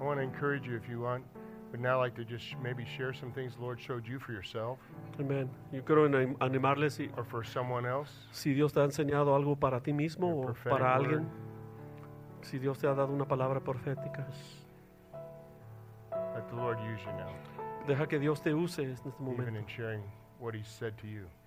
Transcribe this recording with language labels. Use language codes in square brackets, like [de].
[en] Encourage you if you want, but now I'd like to just maybe share some things the Lord showed you for yourself. [es] Amen. Yo quiero animarles y, [en] or for someone else. [es] Si Dios te ha enseñado algo para ti mismo o para [en] word. [es] Alguien, si Dios te ha dado una palabra profética, [en] let the Lord use you now. [es] Deja que Dios te use en este momento. [en] Even in sharing what He said to you.